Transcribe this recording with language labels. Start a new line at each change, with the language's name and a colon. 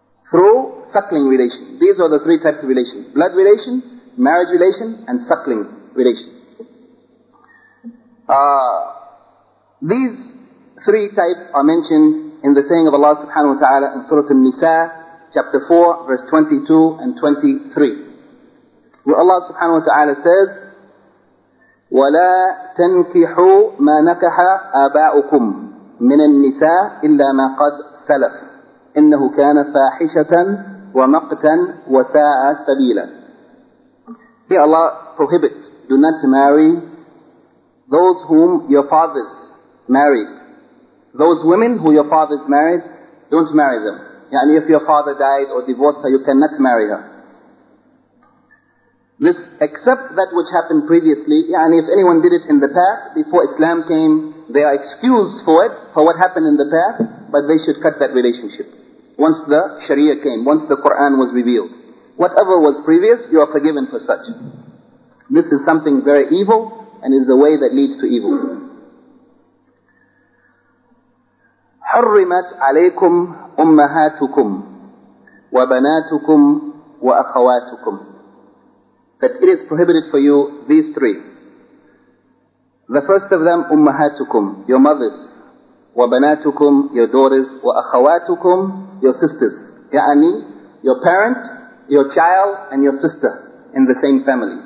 English: Through suckling relation. These are the three types of relation. Blood relation, marriage relation, and suckling relation. These three types are mentioned in the saying of Allah subhanahu wa ta'ala in Surah An-Nisa, chapter 4, verse 22 and 23. Where Allah subhanahu wa ta'ala says,
Arabic: وَلَا تَنْكِحُوا مَا نَكَحَ آبَاؤُكُمْ مِنَ النِّسَاءِ إِلَّا مَا قَدْ سَلَفْ إِنَّهُ كَانَ فَاحِشَةً وَمَقْتًا وَسَاءَ سَبِيلًا.
English: Here Allah prohibits, do not marry those whom your fathers married, those women who your fathers married, Don't marry them. Yani if your father died or divorced her, you cannot marry her. This, except that which happened previously, yani if anyone did it in the past, before Islam came, they are excused for it, for what happened in the past, but they should cut that relationship. Once the Sharia came, once the Quran was revealed. Whatever was previous, you are forgiven for such. This is something very evil, and is the way that leads to evil.
Arabic: حرمت عليكم أمهاتكم وبناتكم وأخواتكم.
English: That it is prohibited for you, these three. The first of them,
Arabic: أمهاتكم,
English: your mothers.
Arabic: وبناتكم,
English: your daughters.
Arabic: وأخواتكم,
English: your sisters. يعني, your parent, your child, and your sister in the same family.